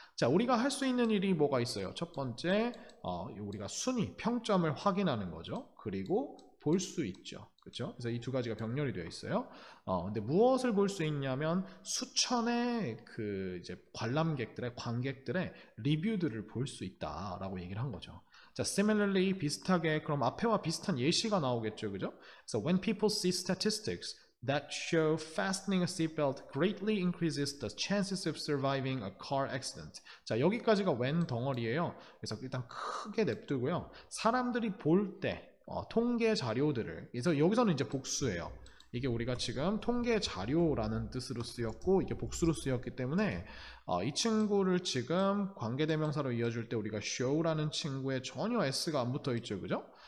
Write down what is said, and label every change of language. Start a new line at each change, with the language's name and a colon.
Korean: 자, 우리가 할수 있는 일이 뭐가 있어요? 첫 번째, 우리가 순위, 평점을 확인하는 거죠. 그리고 볼수 있죠. 그렇죠? 그래서 이두 가지가 병렬이 되어 있어요. 근데 무엇을 볼수 있냐면 수천의 그 이제 관람객들의 관객들의 리뷰들을 볼수 있다라고 얘기를 한 거죠. 자, similarly 비슷하게 그럼 앞에와 비슷한 예시가 나오겠죠, 그죠?
English: So when people see statistics that show fastening a seatbelt greatly increases the chances of surviving a car accident.
Korean: 자, 여기까지가 when 덩어리예요. 그래서 일단 크게 냅두고요. 사람들이 볼 때. 통계 자료들을. 그래서 여기서는 이제 복수예요. 이게 우리가 지금 통계 자료라는 뜻으로 쓰였고 이게 복수로 쓰였기 때문에 이 친구를 지금 관계대명사로 이어줄 때 우리가 show라는 친구에 전혀 s가 안 붙어 있죠. 그죠?